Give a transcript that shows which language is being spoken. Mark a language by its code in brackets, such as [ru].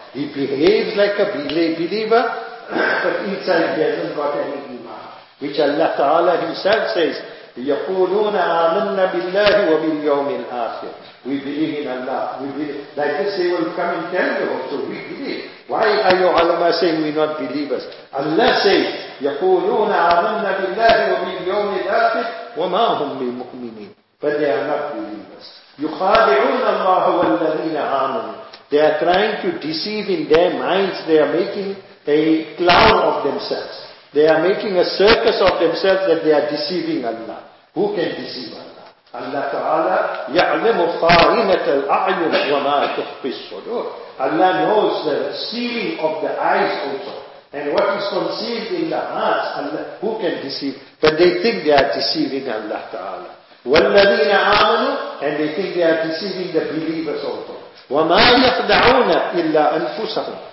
[en] He behaves like a believer, but inside he hasn't got any iman. Which Allah Ta'ala Himself says, [ar] يَقُولُونَ آمَنَّا بِاللَّهِ وَبِالْيَوْمِ الْآخِرِ. [en] We believe in Allah. We believe. Like this, they will come and tell you also, we believe. Why are your ulama saying we're not believers? Allah says, [ar] يَقُولُونَ آمَنَّا بِاللَّهِ وَبِالْيَوْمِ الْآخِرِ وَمَا هُمْ بِمُؤْمِنِينَ. [en] But they are not believers. [ar] يُخَادِعُونَ اللَّهَ وَالَّذِينَ آمَنُوا. [en] They are trying to deceive in their minds. They are making a clown of themselves. They are making a circus of themselves that they are deceiving Allah. Who can deceive Allah? [ar] Allah Ta'ala, يَعْلَمُ خَارِنَةَ الْأَعْيُنِ وَمَا تُخْفِي الصُّدُورِ. [en] Allah knows the seeing of the eyes also. And what is conceived in the hearts, Allah, who can deceive? But they think they are deceiving Allah Ta'ala. [ar] وَالَّذِينَ آمَنُوا. [en] And they think they are deceiving the believers also. [ar] وَمَا يَخْدَعُونَ إِلَّا أَنفُسَهُمْ.